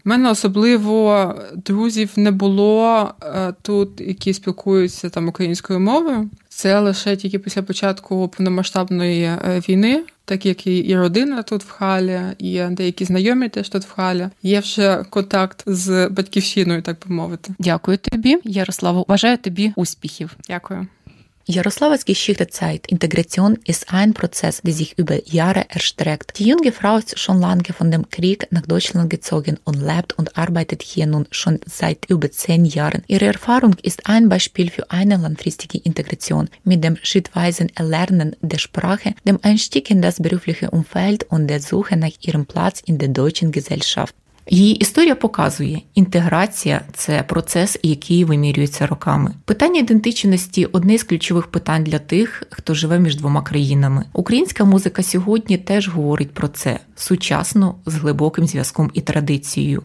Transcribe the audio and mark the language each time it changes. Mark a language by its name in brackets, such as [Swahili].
[Ukrainian] У мене особливо друзів не було тут, які спілкуються там українською мови. Це лише тільки після початку повномасштабної війни, так як і родина тут в Халі, і деякі знайомі теж тут в Халі. Є вже контакт з батьківщиною, так би мовити. Дякую тобі, Ярослава. Бажаю тобі успіхів. Дякую. [German] Ярославас Geschichte zeigt, Integration ist ein Prozess, der sich über Jahre erstreckt. Die junge Frau ist schon lange von dem Krieg nach Deutschland gezogen und lebt und arbeitet hier nun schon seit über 10 Jahren. Ihre Erfahrung ist ein Beispiel für eine langfristige Integration mit dem schrittweisen Erlernen der Sprache, dem Einstieg in das berufliche Umfeld und der Suche nach ihrem Platz in der deutschen Gesellschaft. [Ukrainian] Її історія показує, інтеграція – це процес, який вимірюється роками. Питання ідентичності – одне з ключових питань для тих, хто живе між двома країнами. Українська музика сьогодні теж говорить про це. Сучасно, з глибоким зв'язком і традицією.